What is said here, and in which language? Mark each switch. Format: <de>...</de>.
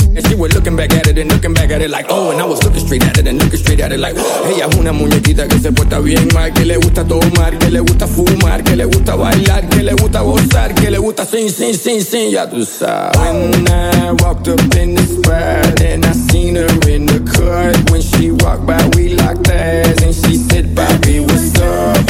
<en>And she was looking back at it and looking back at it like, oh. And I was looking straight at it and looking straight at it like, oh.</en> <es>Ella es una muñequita que se porta bien mal, que le gusta tomar, que le gusta fumar, que le gusta bailar, que le gusta gozar, que le gusta sin, sin, sin, sin, ya tú sabes.</es> <en>When I walked up in the spot and I seen her in the cut, when she walked by, we locked eyes and she said, Bobby, what's up?</en>